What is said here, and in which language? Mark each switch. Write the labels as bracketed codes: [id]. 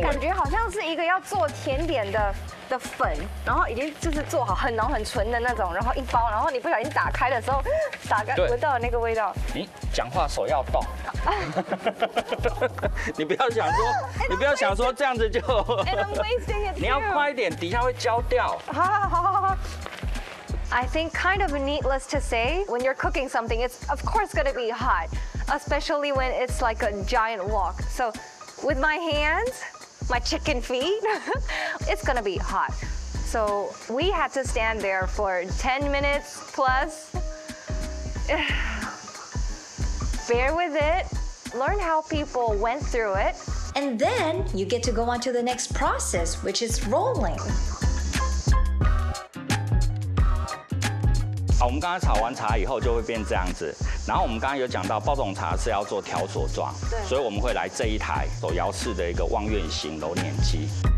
[zh] 感觉好像是一个要做甜点的粉，然后已经就是做好很浓很纯的那种，然后一包，然后你不小心打开的时候，打开闻到了那个味道。你讲话手要动，你不要想说，你不要想说这样子就，你要快一点，底下会焦掉。好好好好好。 [en] I think kind of needless to say, when you're cooking something, it's of course gonna be hot, especially when it's like a giant wok. So with my hands, my chicken feet, it's gonna be hot. So we had to stand there for 10 minutes plus. Bear with it, learn how people went through it. And then you get to go on to the next process, which is rolling. [zh] 好，我们刚才炒完茶以后就会变这样子。然后我们刚刚有讲到，包种茶是要做条索状，所以我们会来这一台手摇式的一个望远型揉捻机。